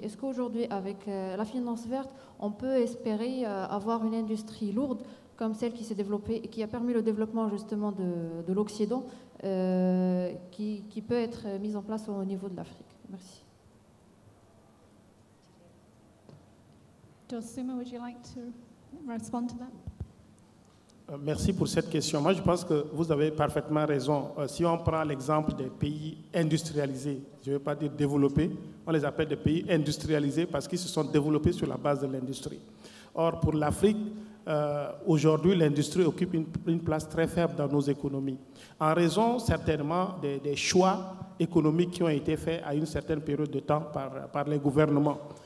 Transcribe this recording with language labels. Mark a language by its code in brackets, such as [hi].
[fr] Est-ce qu'aujourd'hui, avec la finance verte, on peut espérer avoir une industrie lourde comme celle qui s'est développée et qui a permis le développement justement de l'Occident, qui peut être mise en place au niveau de l'Afrique? Merci. [en] Josuma, would you like to respond to that? [fr] Merci pour cette question. Moi, je pense que vous avez parfaitement raison. Si on prend l'exemple des pays industrialisés, je ne vais pas dire développés, on les appelle des pays industrialisés parce qu'ils se sont développés sur la base de l'industrie. Or, pour l'Afrique, aujourd'hui, l'industrie occupe une place très faible dans nos économies, en raison certainement des choix économiques qui ont été faits à une certaine période de temps par les gouvernements.